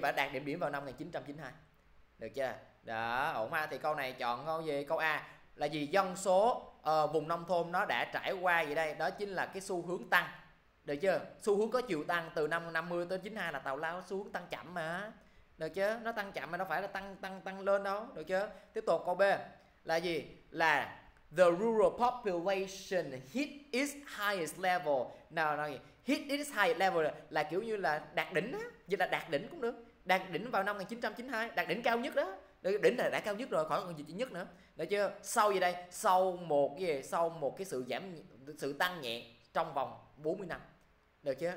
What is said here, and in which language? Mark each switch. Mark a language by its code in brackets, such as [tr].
[vi] Và đạt đỉnh điểm vào năm 1992. Được chưa? Đó, ổn ha. Thì câu này chọn câu gì? Câu A là gì? Dân số vùng nông thôn nó đã trải qua gì đây? Đó chính là cái xu hướng tăng. Được chưa? Xu hướng có chiều tăng từ năm 50 tới 92 là tào lao, xu hướng tăng chậm mà. Được chưa? Nó tăng chậm mà nó phải là tăng tăng tăng lên đâu, được chưa? Tiếp tục câu B là gì? [en] Là the rural population hit its highest level. [vi] Nào, [en] hit its highest level [vi] là kiểu như là đạt đỉnh á, vậy là đạt đỉnh cũng được. Đạt đỉnh vào năm 1992, đạt đỉnh cao nhất đó. Đỉnh là đã cao nhất rồi, khỏi còn gì nhất nữa. Được chưa? Sau gì đây? Sau một cái gì? Sau một cái sự giảm sự tăng nhẹ trong vòng 40 năm. Được chưa?